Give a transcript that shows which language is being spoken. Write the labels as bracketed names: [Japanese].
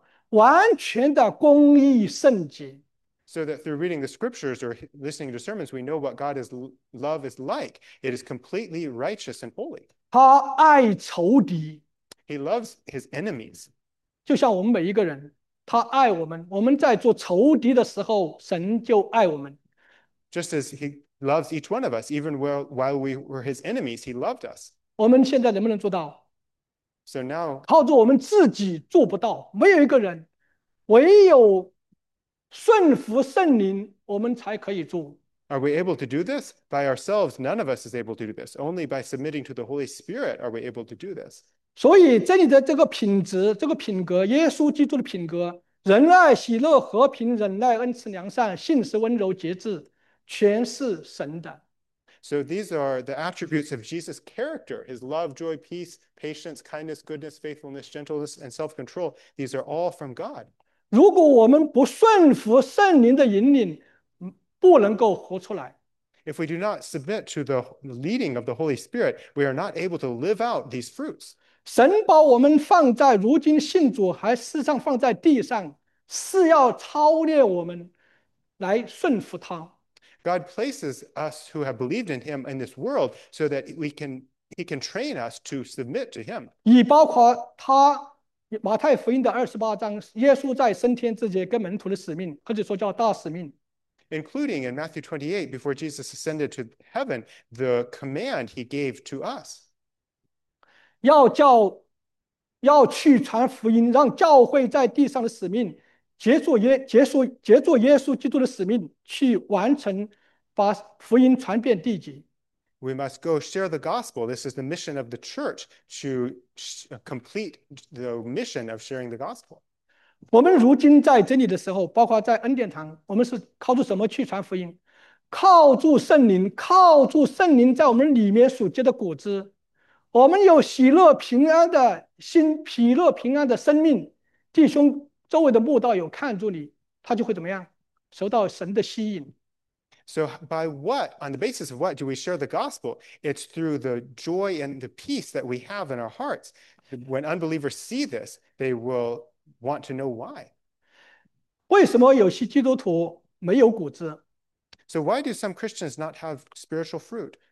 [Chinese] 让我们记住读圣经，我们记住听到，我们知道神的爱是什么，完全的公义圣洁。 [English] So that through reading the scriptures or listening to sermons, we know what God's love is like. It is completely righteous and holy. [Chinese] 他爱仇敌, [English] He loves his enemies. [Chinese] 就像我们每一个人，他爱我们。我们在做仇敌的时候，神就爱我们。 [English] Just as he loves each one of us, even while we were his enemies, he loved us. [Chinese] 我们现在能不能做到？ [English] So now, [Chinese] 靠着我们自己做不到，没有一个人，唯有顺服圣灵，我们才可以做。 [English] are we able to do this? By ourselves, none of us is able to do this. Only by submitting to the Holy Spirit are we able to do this. [Chinese] 所以这里的这个品质、这个品格，耶稣基督的品格，仁爱、喜乐、和平、忍耐、恩慈、良善、信实、温柔、节制，全是神的。 [English] So these are the attributes of Jesus' character, his love, joy, peace, patience, kindness, goodness, faithfulness, gentleness, and self-control. These are all from God. [Chinese] 如果我们不顺服圣灵的引领，不能够活出来。 [English] If we do not submit to the leading of the Holy Spirit, we are not able to live out these fruits. [Chinese] 神把我们放在如今信主还世上放在地上，是要操练我们来顺服他。 [English] God places us who have believed in him in this world so that he can train us to submit to him. [Chinese] 以包括他。马太福音的28章，耶稣在升天之前跟门徒的使命，或者说叫大使命。 [English] Including in Matthew 28, before Jesus ascended to heaven, the command he gave to us. [Chinese] 要去传福音，让教会在地上的使命，结束耶稣基督的使命，去完成把福音传遍地极。 [English] We must go share the gospel. This is the mission of the church to complete the mission of sharing the gospel. [Chinese] 我们如今在真理的时候，包括在恩典堂，我们是靠着什么去传福音？靠住圣灵，靠住圣灵在我们里面所结的果子。我们有喜乐平安的心，喜乐平安的生命。弟兄，周围的慕道友看住你，他就会怎么样？受到神的吸引。 [English] So, by what, on the basis of what, do we share the gospel? It's through the joy and the peace that we have in our hearts. When unbelievers see this, they will want to know why. [Chinese] 为什么有些基督徒没有果子？ [English] So, why do some Christians not have spiritual fruit?